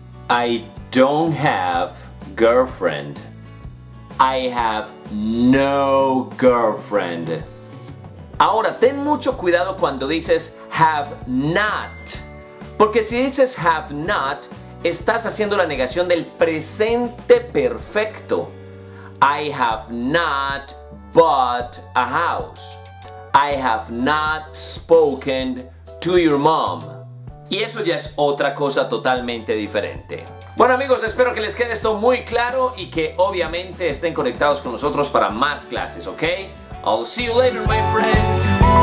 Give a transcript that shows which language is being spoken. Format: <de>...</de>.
<en>I don't have girlfriend. I have no girlfriend.</en> <es>Ahora, ten mucho cuidado cuando dices have not. Porque si dices have not, estás haciendo la negación del presente perfecto.</es> <en>I have not bought a house. I have not spoken to your mom.</en> <es>Y eso ya es otra cosa totalmente diferente. Bueno amigos, espero que les quede esto muy claro y que obviamente estén conectados con nosotros para más clases, ¿ok?</es> <en>I'll see you later, my friends.</en>